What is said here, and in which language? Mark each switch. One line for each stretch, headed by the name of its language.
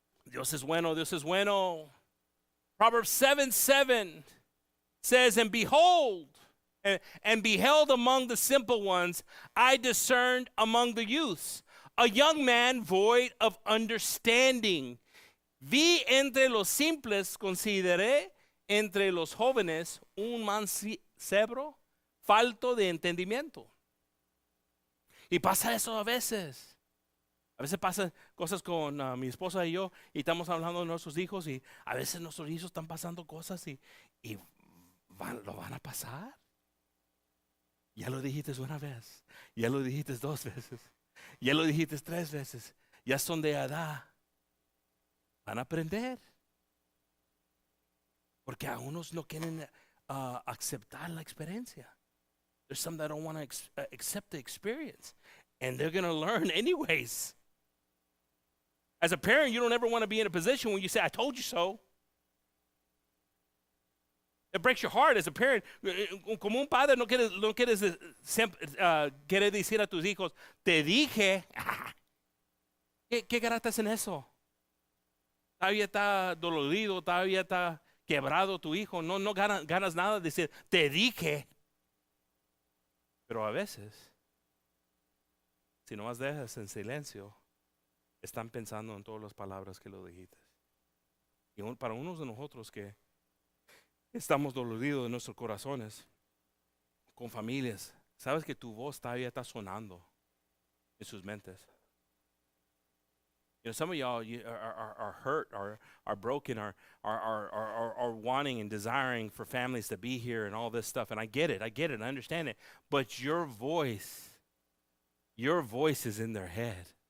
Spanish: Dios es bueno. Dios es bueno.
English: Proverbs 7:7 says, "And behold, and beheld among the simple ones, I discerned among the youths a young man void of understanding.
Spanish: Vi entre los simples, consideré entre los jóvenes un mancebo falto de entendimiento." Y pasa eso a veces. A veces pasa cosas con mi esposa y yo, y estamos hablando de nuestros hijos, y a veces nuestros hijos están pasando cosas y lo van a pasar. Ya lo dijiste una vez, ya lo dijiste dos veces, ya lo dijiste tres veces, ya son de edad. Van a aprender. Porque a unos no quieren aceptar la experiencia.
English: There's some that don't want to accept the experience, and they're going to learn anyways. As a parent, you don't ever want to be in a position where you say, "I told you so." It breaks your heart as a parent.
Spanish: Como un padre, no quieres querer decir a tus hijos, "Te dije." ¿Qué garata es en eso? Todavía está dolorido, todavía está quebrado tu hijo. No ganas nada de decir, "Te dije." Pero a veces, si nomás dejas en silencio, están pensando en todas las palabras que lo dijiste. Y para unos de nosotros que estamos doloridos de nuestros corazones, con familias, sabes que tu voz todavía está sonando en sus mentes.
English: You know, some of y'all are hurt, are broken, are wanting and desiring for families to be here and all this stuff. And I get it, I understand it. But your voice is in their head.